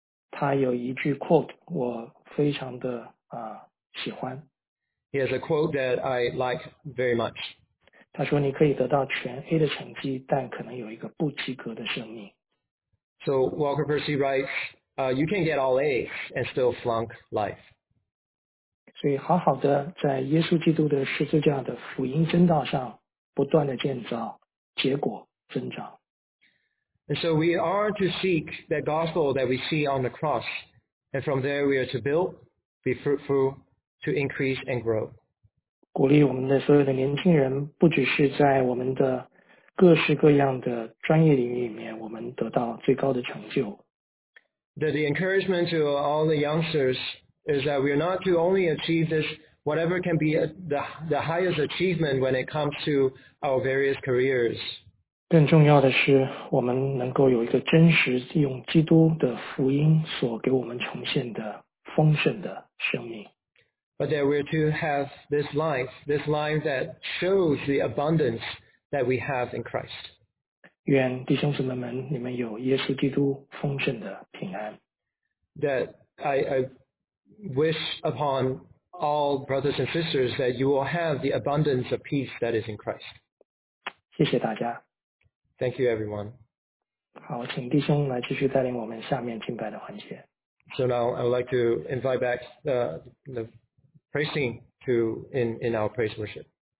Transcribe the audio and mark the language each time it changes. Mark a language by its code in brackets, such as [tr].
[zh] 他有一句 quote, 我非常的喜欢。 [en] He has a quote that I like very much. [zh] 他说你可以得到全 A 的成绩，但可能有一个不及格的生命。 [en] So Walker Percy writes, you can get all A's and still flunk life. [zh] 所以好好的在耶稣基督的十字架的福音真道上不断的建造，结果增长。 [en] And so we are to seek that gospel that we see on the cross, and from there we are to build, be fruitful,to increase and grow. [zh] 鼓励我们的所有的年轻人不只是在我们的各式各样的专业领域里面我们得到最高的成就。 [en] The encouragement to all the youngsters is that we are not to only achieve this whatever can be the highest achievement when it comes to our various careers. [zh] 更重要的是我们能够有一个真实用基督的福音所给我们呈现的丰盛的生命。 [en] But that we're to have this life that shows the abundance that we have in Christ. [zh] 愿弟兄姊妹们，你们有耶稣基督丰盛的平安。 [en] That I wish upon all brothers and sisters that you will have the abundance of peace that is in Christ. [zh] 谢谢大家。 [en] Thank you, everyone. [zh] 好，请弟兄来继续带领我们下面敬拜的环节。 [en] So now I would like to invite back the praising to in our praise worship.